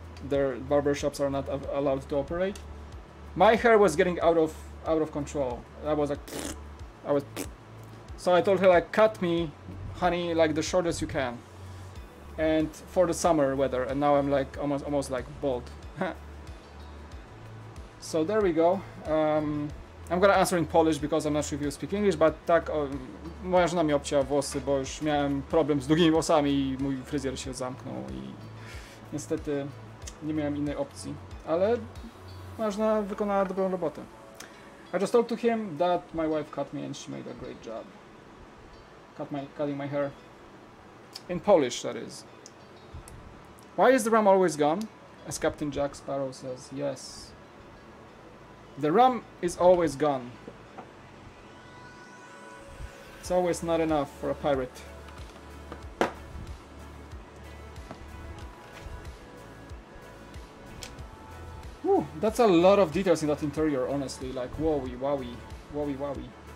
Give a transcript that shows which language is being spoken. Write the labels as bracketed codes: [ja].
[en] their barber shops are not allowed to operate. My hair was getting out of control. I was like, pfft. So I told her, like, cut me, honey, like the shortest you can. And for the summer weather, and now I'm like almost like bald. So there we go. I'm gonna answer in Polish because I'm not sure if you speak English, but [pl] tak, moja żona mi obcięła włosy, bo już miałem problem z długimi włosami i mój fryzjer się zamknął i niestety nie miałem innej opcji, ale moja żona wykonała dobrą robotę. [en] I just told to him that my wife cut me and she made a great job. Cutting my hair. In Polish, that is. Why is the RAM always gone? As Captain Jack Sparrow says, yes. The RAM is always gone. It's always not enough for a pirate. Whew, that's a lot of details in that interior, honestly. Like, wowie, wowie, wowie, wowie.